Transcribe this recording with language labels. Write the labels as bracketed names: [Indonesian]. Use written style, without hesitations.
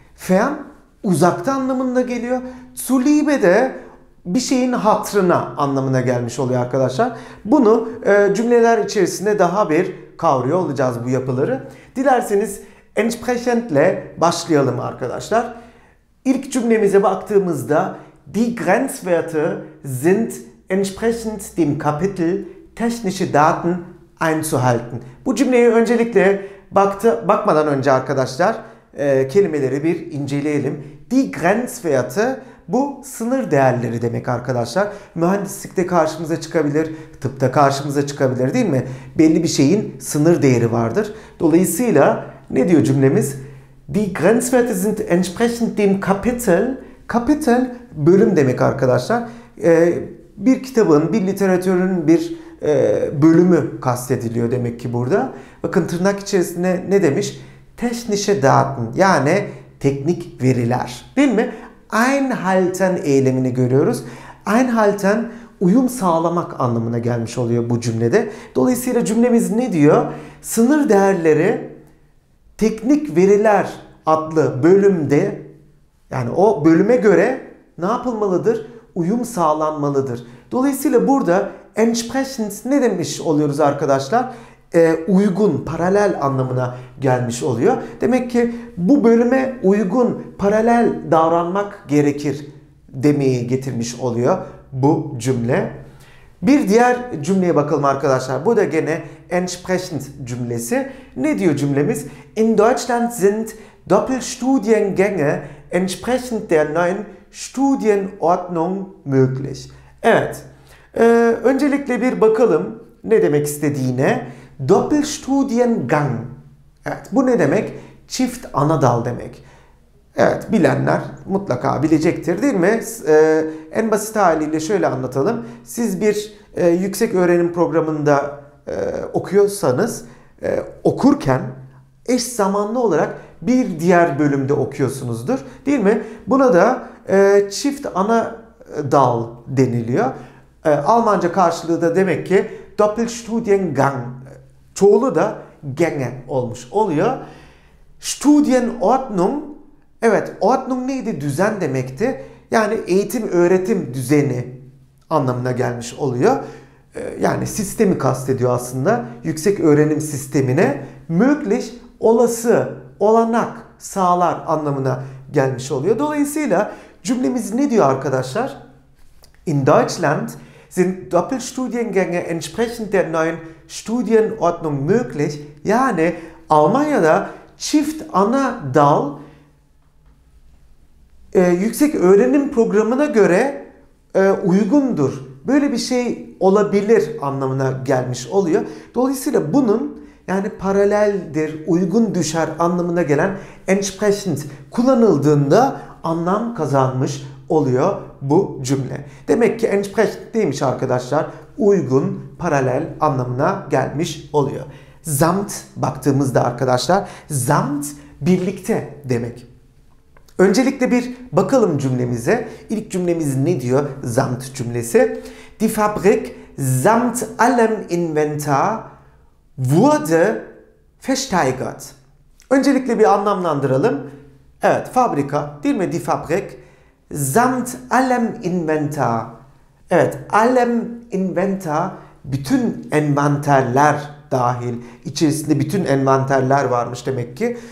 [Turkish] Fern uzakta anlamında geliyor. Zuliebe de bir şeyin hatırına anlamına gelmiş oluyor arkadaşlar. Bunu cümleler içerisinde daha bir kavruyor olacağız bu yapıları. Dilerseniz entsprechend ile başlayalım arkadaşlar. İlk cümlemize baktığımızda [German] die Grenzwerte sind entsprechend dem Kapitel technische Daten einzuhalten. [Turkish] Bu cümleye öncelikle bakmadan önce arkadaşlar kelimeleri bir inceleyelim. Die Grenzwerte bu sınır değerleri demek arkadaşlar. Mühendislikte karşımıza çıkabilir, tıpta karşımıza çıkabilir değil mi? Belli bir şeyin sınır değeri vardır. Dolayısıyla ne diyor cümlemiz? [German] Die Grenzwerte sind entsprechend dem Kapitel. [Turkish] Kapitel bölüm demek arkadaşlar. Bir kitabın, bir literatürün bir bölümü kastediliyor demek ki burada. Bakın tırnak içerisinde ne demiş? Technische Daten, yani teknik veriler. Değil mi? Einhalten eylemini görüyoruz. Einhalten, uyum sağlamak anlamına gelmiş oluyor bu cümlede. Dolayısıyla cümlemiz ne diyor? Sınır değerleri teknik veriler adlı bölümde, yani o bölüme göre ne yapılmalıdır? Uyum sağlanmalıdır. Dolayısıyla burada entsprechend ne demiş oluyoruz arkadaşlar? Uygun, paralel anlamına gelmiş oluyor. Demek ki bu bölüme uygun, paralel davranmak gerekir demeyi getirmiş oluyor bu cümle. Bir diğer cümleye bakalım arkadaşlar. Bu da gene entsprechend cümlesi. Ne diyor cümlemiz? [German] In Deutschland sind Doppelstudiengänge entsprechend der neuen Studienordnung möglich. [Turkish] Evet. Öncelikle bir bakalım ne demek istediğine. Doppelstudiengang. Evet, bu ne demek? Çift ana dal demek. Evet, bilenler mutlaka bilecektir değil mi? En basit haliyle şöyle anlatalım. Siz bir yüksek öğrenim programında okuyorsanız okurken eş zamanlı olarak bir diğer bölümde okuyorsunuzdur. Değil mi? Buna da çift ana dal deniliyor. Almanca karşılığı da demek ki Doppelstudiengang. Çoğulu da Gänge olmuş oluyor. Studienordnung. Evet, Ordnung neydi? Düzen demekti. Yani eğitim, öğretim düzeni anlamına gelmiş oluyor. Yani sistemi kastediyor aslında. Yüksek öğrenim sistemine. Möglich, olası, olanak, sağlar anlamına gelmiş oluyor. Dolayısıyla cümlemiz ne diyor arkadaşlar? [German] In Deutschland sind Doppelstudiengänge entsprechend der neuen Studienordnung möglich. [Turkish] Yani Almanya'da çift ana dal yüksek öğrenim programına göre uygundur. Böyle bir şey olabilir anlamına gelmiş oluyor. Dolayısıyla bunun yani paraleldir, uygun düşer anlamına gelen entsprechend kullanıldığında anlam kazanmış oluyor bu cümle. Demek ki entsprechend neymiş arkadaşlar? Uygun, paralel anlamına gelmiş oluyor. Samt baktığımızda arkadaşlar, samt birlikte demek. Öncelikle bir bakalım cümlemize. İlk cümlemiz ne diyor? Samt cümlesi. [German] Die Fabrik samt allem Inventar wurde versteigert. [Turkish] Öncelikle bir anlamlandıralım. Evet, fabrika değil mi? [German] Die Fabrik samt allem Inventar. [Turkish] Evet, [German] allem Inventar, [Turkish] bütün envanterler dahil, içerisinde bütün envanterler varmış demek ki.